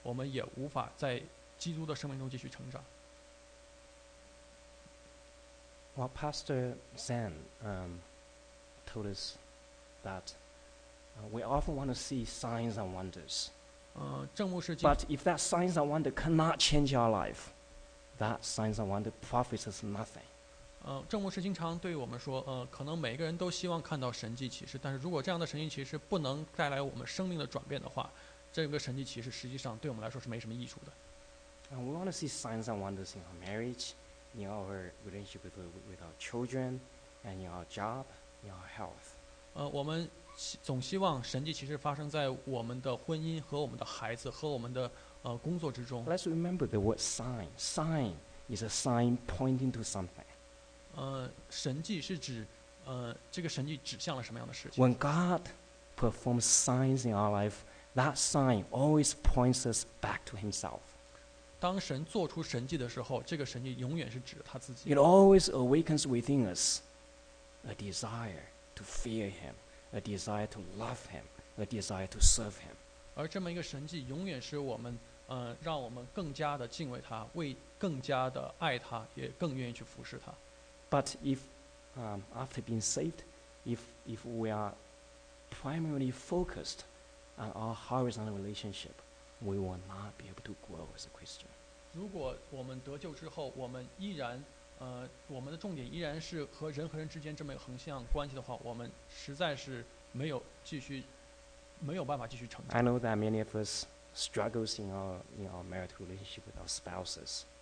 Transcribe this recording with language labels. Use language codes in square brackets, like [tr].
[zh] 如果即便作为基督徒的话，如果我们发现我们的主要的，我们一生最要紧的这么一个目标不是和神之间的关系的话，我们也无法在基督的生命中继续成长。 [en] Well, Pastor Zen told us that we often want to see signs and wonders, But if that signs and wonder cannot change our life, that signs and wonder profits us nothing. [zh] 正牧师经常对我们说，可能每个人都希望看到神迹奇事，但是如果这样的神迹奇事不能带来我们生命的转变的话，这个神迹奇事实际上对我们来说是没什么益处的。 [en] And we want to see signs and wonders in our marriage, in our relationship with our children, and in our job, in our health. [zh] 我们总希望神迹奇事发生在我们的婚姻和我们的孩子和我们的工作之中。 [en] Let's remember the word sign. Sign is a sign pointing to something. [zh] 神迹是指这个神迹指向了什么样的事情。 [en] When God performs signs in our life, that sign always points us back to himself. [zh] 当神做出神迹的时候，这个神迹永远是指他自己。 [en] It always awakens within us a desire to fear him, a desire to love him, a desire to serve him. [zh] 而这么一个神迹永远是我们让我们更加的敬畏他，为更加的爱他，也更愿意去服侍他。 [en] But if after being saved, if we are primarily focused on our horizontal relationship, we will not be able to grow as a Christian. [zh] 如果我们得救之后，我们依然我们的重点依然是和人和人之间这么一个横向关系的话，我们实在是没有办法继续成长。 [en] I know that many of us struggles in our marital relationship with our spouses.